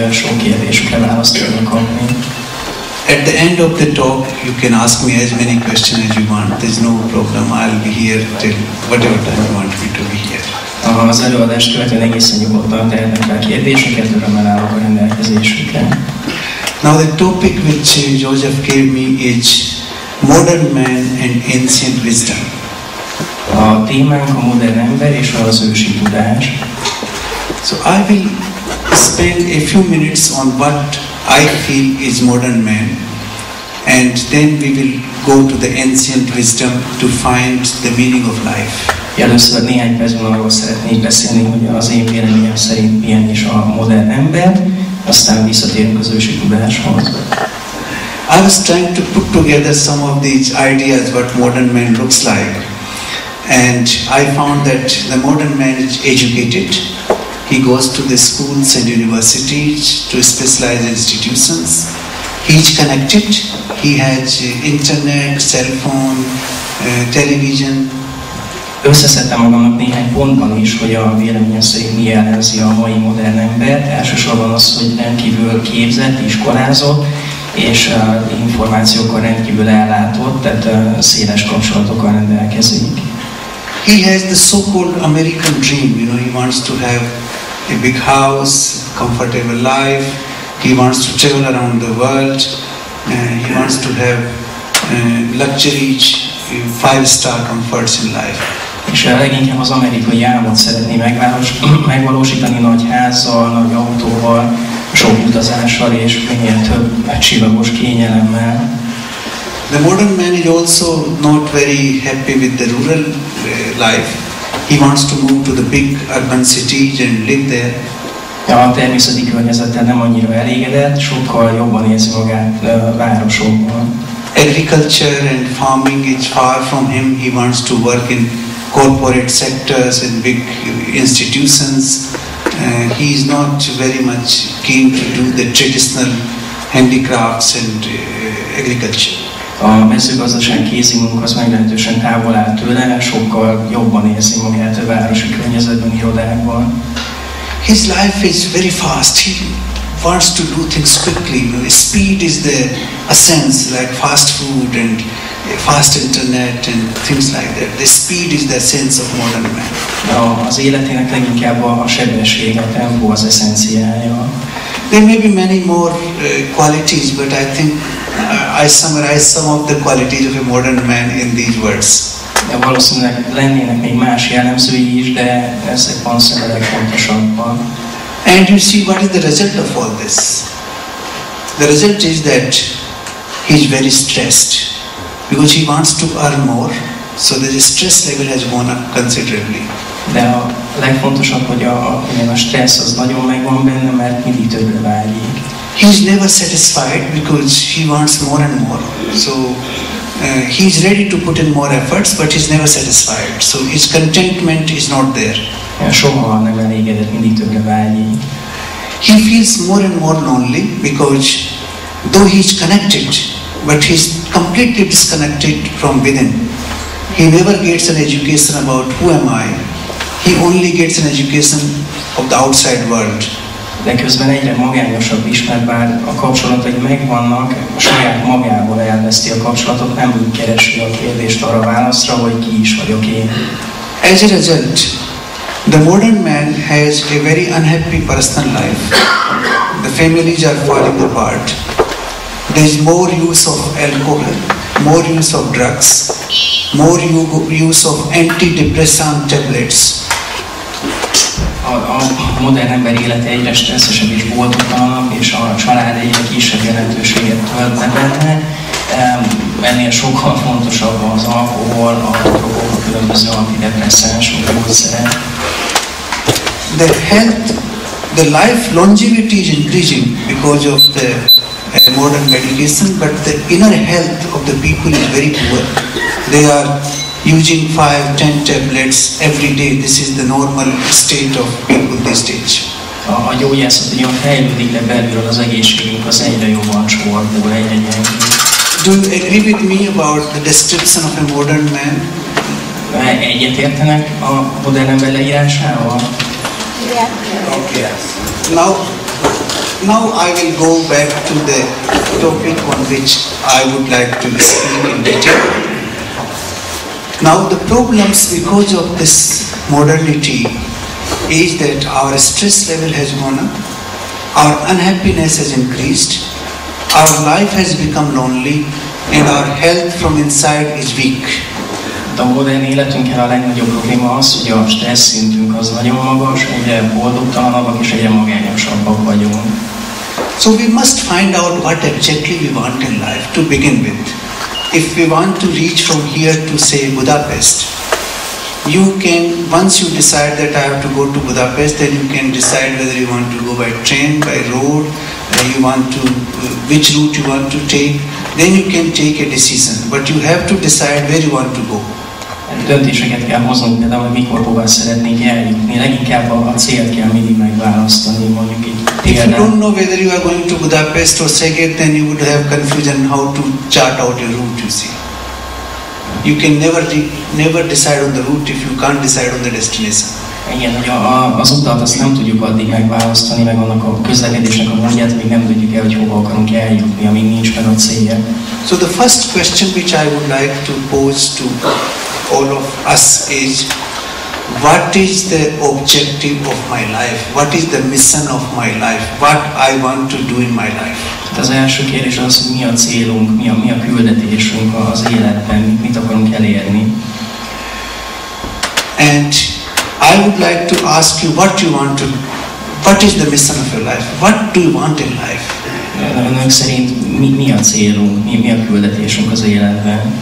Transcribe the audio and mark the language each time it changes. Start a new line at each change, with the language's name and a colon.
English: At the end of the talk, you can ask me as many questions as you want. There's no problem. I'll be here till whatever time you want me to be here.
Hungarian: Az előadás követően egészen nyugodtan tehetnek fel kérdéseket, örömmel állok a rendelkezésükre.
English: Now the topic which Joseph gave me is modern man and ancient wisdom.
Hungarian: A témánk a modern ember és az ősi tudás.
English: So I will spend a few minutes on what I feel is modern man. And then we will go to the ancient wisdom to find the meaning of life.
Hungarian: Először néhány percben arról szeretnék beszélni, hogy az én véleményem szerint milyen is a modern ember, aztán visszatérünk az ősi tudáshoz.
English: I was trying to put together some of these ideas what modern man looks like. And I found that the modern man is educated. He goes to the schools and universities, to specialized institutions. He is connected. He has internet, cell phone, television.
Hungarian: Összeszedtem magamnak néhány pontban is, hogy a véleményem szerint mi jellemzi a mai modern embert. Elsősorban az, hogy rendkívül képzett, iskolázott, és információkkal rendkívül ellátott, tehát széles kapcsolatokkal rendelkezik.
English: He has the so-called American dream, you know, he wants to have a big house, comfortable life, he wants to travel around the world, he wants to have luxuries, five-star comforts in life.
Hungarian: És leginkább az amerikai álmot szeretné megvalósítani nagy házzal, nagy autóval, sok utazással és minél több csillagos kényelemmel.
English: The modern man is also not very happy with the rural life. He wants to move to the big urban cities and live there.
Hungarian: Ja, a természeti környezettel nem annyira elégedett, sokkal jobban érzi magát városokban.
English: Agriculture and farming is far from him. He wants to work in corporate sectors and big institutions. He is not very much keen to do the traditional handicrafts and agriculture.
Hungarian: A mezőgazdaság kézi munka az meglehetősen távol áll tőle, sokkal jobban érzi magát a városi környezetben, irodákban.
English: His life is very fast. He wants to do things quickly. Speed is the essence, like fast food and fast internet and things like that. The speed is the essence of modern man.
Hungarian: Az életének leginkább a sebesség, a tempó az eszenciája.
English: There may be many more qualities, but I think I summarize some of the qualities of a modern man in these words.
Hungarian: De valószínűleg lennének még más jellemzői is, de ezek van szerintem a legfontosabbak.
English: And you see, what is the result of all this? The result is that he is very stressed. Because he wants to earn more, so the stress level has gone up considerably.
Hungarian: De a legfontosabb, hogy a stressz az nagyon megvan benne, mert mindig többre vágyik.
English: He is never satisfied because he wants more and more. So he is ready to put in more efforts, but he is never satisfied. So his contentment is not there.
Hungarian: Soha nem elégedett, mindig többre vágyik.
English: He feels more and more lonely because though he is connected, but he is completely disconnected from within. He never gets an education about who am I. He only gets an education of the outside world.
Hungarian: De közben egyre magányosabb is, mert bár a kapcsolatai megvannak, saját magából elveszti a kapcsolatot, nem úgy keresi a kérdést arra válaszra, hogy ki is vagyok én.
English: As a result, the modern man has a very unhappy personal life. The families are falling apart. There is more use of alcohol, more use of drugs, more use of antidepressant tablets.
Hungarian: A modern ember élete egyre stresszesebb és boldogtalanabb, és a család egyre kisebb jelentőséget tölt benne. Ennél sokkal fontosabb az alkohol, a drogok, a különböző antidepresszáns, a módszerek.
English: The health, the life longevity is increasing because of the modern medication, but the inner health of the people is very poor. They are using 5-10 tablets every day. This is the normal state of people these days.
Hungarian: A gyógyászat ugyan fejlődik, de belülről az egészségünk az egyre jobban csordul, egyre gyengül.
English: Do you agree with me about the description of a modern man?
Hungarian: Egyet értenek a modern ember leírásával?
English: Yeah. Okay. Now I will go back to the topic on which I would like to speak in detail. Now the problems because of this modernity is that our stress level has gone up, our unhappiness has increased, our life has become lonely, and our health from inside is weak.
Hungarian: A modern életünkkel a legnagyobb probléma az, hogy a stressz szintünk az nagyon magas, ugye boldogtalanabbak és egyre magányosabbak vagyunk.
English: So we must find out what exactly we want in life to begin with. If we want to reach from here to say Budapest, you can, once you decide that I have to go to Budapest, then you can decide whether you want to go by train, by road, you want to, which route you want to take, then you can take a decision. But you have to decide where you want to go.
Hungarian: Döntéseket kell hoznunk, például, hogy mikor hova szeretnénk eljutni. Leginkább a célt kell mindig megválasztani, mondjuk így.
English: If you don't know whether you are going to Budapest or Szeged, then you would have confusion how to chart out your route, you see. You can never decide on the route if you can't decide on the destination.
Hungarian: Igen, hogy az utat azt nem tudjuk addig megválasztani, meg annak a közlekedésnek a módját, még nem tudjuk el, hogy hova akarunk eljutni, amíg nincs meg a célja.
English: So the first question which I would like to pose to all of us is, what is the objective of my life? What is the mission of my life? What I want to do in my life?
Hungarian: Az első kérdés az, hogy mi a célunk, mi a küldetésünk az életben, mit akarunk elérni.
English: And I would like to ask you what you want to, what is the mission of your life? What do you want in life?
Hungarian: Önök szerint mi a célunk, mi a küldetésünk az életben?